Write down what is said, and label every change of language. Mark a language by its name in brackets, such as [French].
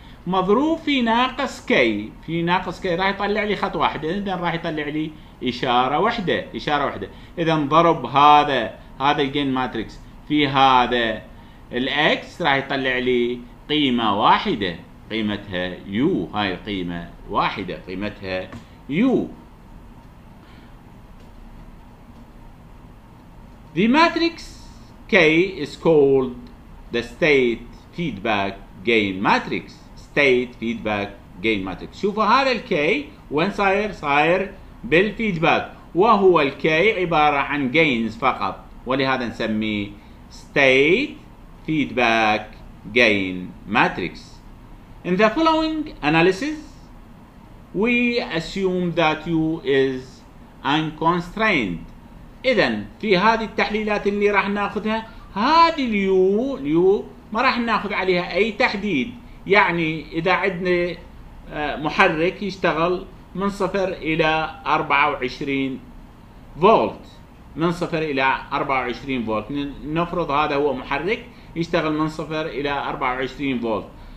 [Arabic] مضروب في ناقص كي، في ناقص كي راح يطلع لي خط واحد، اذا راح يطلع لي اشاره واحده، اشاره واحده. اذا ضرب هذا الجين ماتريكس في هذا الاكس راح يطلع لي قيمه واحده، قيمتها يو، هاي القيمه واحده قيمتها يو. [English] The matrix K is called the state feedback gain matrix. State feedback gain matrix. [Arabic] شوفوا هذا ال K وين صاير؟ صاير بالفيدباك، وهو ال K عبارة عن gains فقط، ولهذا نسميه [English] state feedback gain matrix. In the following analysis, we assume that U is unconstrained. [Arabic] اذا في هذه التحليلات اللي راح ناخذها، هذه اليو ما راح ناخذ عليها اي تحديد، يعني اذا عندنا محرك يشتغل من 0 الى 24 فولت، من 0 الى 24 فولت، نفرض هذا هو محرك يشتغل من 0 الى 24 فولت.